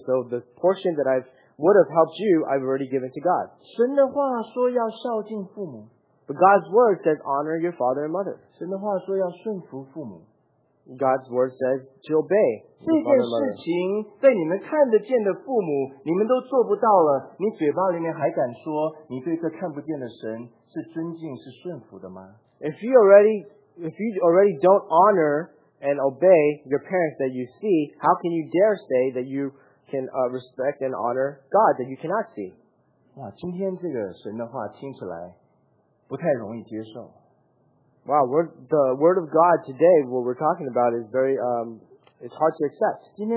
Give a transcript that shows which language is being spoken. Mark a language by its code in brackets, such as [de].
[en] So the portion that I would have helped you, I've already given to God. [zh] 神的话说要孝敬父母, [en] but God's word says honor your father and mother. [zh] 神的话说要顺服父母, [en] God's word says to obey. [zh] 这件事情在你们看得见的父母，你们都做不到了，你嘴巴里面还敢说你对这看不见的神。是尊敬是顺服的吗? [en] If you already don't honor and obey your parents that you see, how can you dare say that you can respect and honor God that you cannot see? [zh] 哇,今天这个神的话听起来不太容易接受。 [en] Wow, the word of God today, what we're talking about is very it's hard to accept.